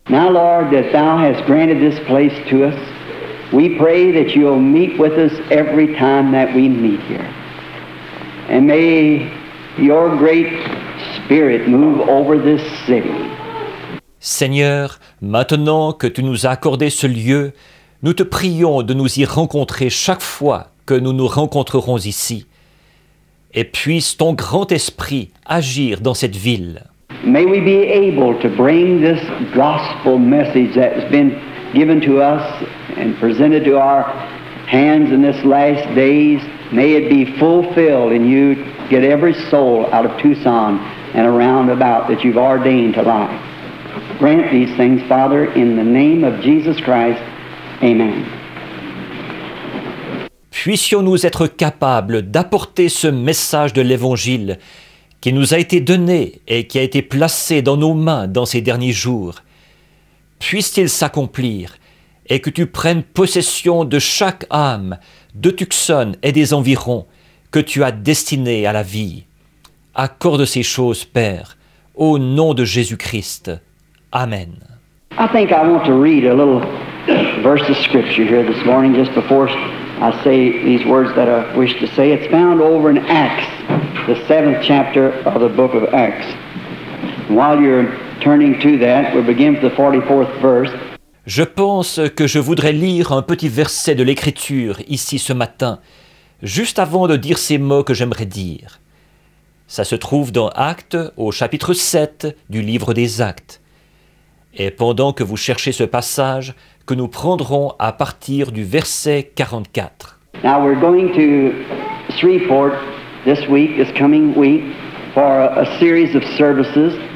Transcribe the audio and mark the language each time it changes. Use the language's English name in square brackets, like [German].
[English] Now, Lord, that thou hast granted this place to us, we pray that you'll meet with us every time that we meet here. And may your great Spirit, move over this city. [French] Seigneur, maintenant que tu nous as accordé ce lieu, nous te prions de nous y rencontrer chaque fois que nous nous rencontrerons ici. Et puisse ton grand esprit agir dans cette ville. [English] May we be able to bring this gospel message that has been given to us and presented to our hands in this last days. May it be fulfilled and you get every soul out of Tucson and around about that you've ordained to life. Grant these things, Father, in the name of Jesus Christ. Amen. [French] Puissions-nous être capables d'apporter ce message de l'Évangile qui nous a été donné et qui a été placé dans nos mains dans ces derniers jours. Puisse-t-il s'accomplir et que tu prennes possession de chaque âme de Tucson et des environs que tu as destiné à la vie. Accorde ces choses, Père, au nom de Jésus-Christ. Amen. [English] I think I want to read a little verse of scripture here this morning just before I say these words that I wish to say. It's found over in Acts, the 7th chapter of the book of Acts. And while you're turning to that, we'll begin with the 44th verse. [French] Je pense que je voudrais lire un petit verset de l'Écriture ici ce matin, juste avant de dire ces mots que j'aimerais dire. Ça se trouve dans Actes, au chapitre 7 du livre des Actes. Et pendant que vous cherchez ce passage, que nous prendrons à partir du verset 44. [English] Now we're going to Shreveport this week, this coming week, for a series of services.